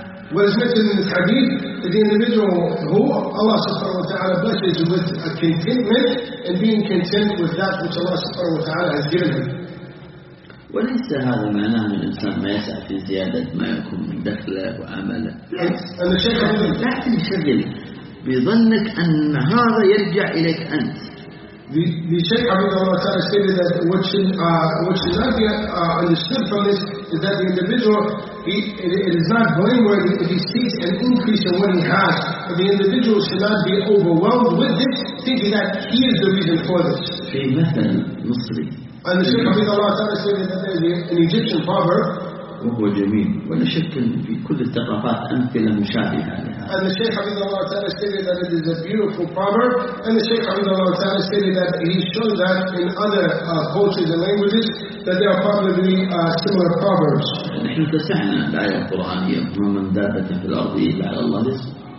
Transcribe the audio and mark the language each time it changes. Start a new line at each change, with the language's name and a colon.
English: What is mentioned in this hadith is the individual who Allah subhanahu wa ta'ala blesses with a contentment and being content with that which Allah subhanahu wa ta'ala has given him.
Arabic: وليس هذا معناه أن الإنسان ما يسعى في زيادة ما يكون من دخله وعمله. أنا شايف لا تنشغل بظنك أن هذا يرجع إليك أنت.
English: The Shaykh Abu Dawud Ta'ala stated that what should not be understood from this is that the individual, it is not blameworthy if he sees an increase in what he has, but the individual should not be overwhelmed with this, thinking that he is the reason for this.
Arabic: في مثل مصري.
English: And the Shaykh Abu Dawud Ta'ala stated that there is an Egyptian proverb.
Arabic: وهو جميل ولا شك في كل الثقافات أمثلة مشابهة لها.
English: And the Shaykh Abid Allah Ta'ala stated that it is a beautiful proverb. And the Shaykh Abid Allah Ta'ala stated that he showed that in other cultures and languages that there are probably similar proverbs.
Arabic: نحن تسعنا الآية القرآنية من دابة في الأرض إلا على الله رزق.